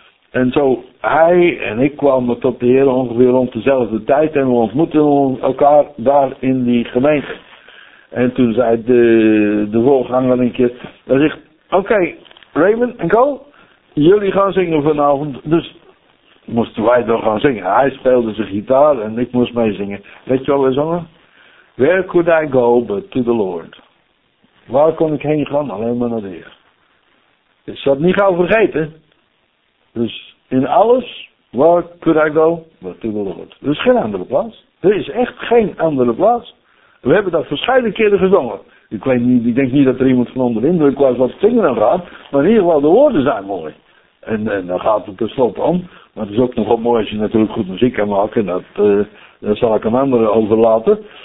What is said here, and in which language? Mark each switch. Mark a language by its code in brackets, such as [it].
[nl] En zo, hij en ik kwamen tot de Heer ongeveer rond dezelfde tijd, en we ontmoetten elkaar daar in die gemeente. En toen zei de voorganger een keer, hij zegt, oké, Raymond en Cole, jullie gaan zingen vanavond, dus moesten wij dan gaan zingen. Hij speelde zijn gitaar en ik moest mee zingen. Weet je wel eens zongen? [en] Where could I go but to the Lord? [nl] Waar kon ik heen gaan? Alleen maar naar de Heer. Ik zat niet gauw vergeten. Dus in alles, [en] where could I go but to the Lord? [nl] Er is geen andere plaats. Er is echt geen andere plaats. We hebben dat verschillende keren gezongen. Ik denk niet dat er iemand van onder indruk was wat zingen dan gaat. Maar in ieder geval de woorden zijn mooi. En dan gaat het tenslotte om. Maar het is ook nog wel mooi als je natuurlijk goed muziek kan maken. Dat zal ik een andere overlaten.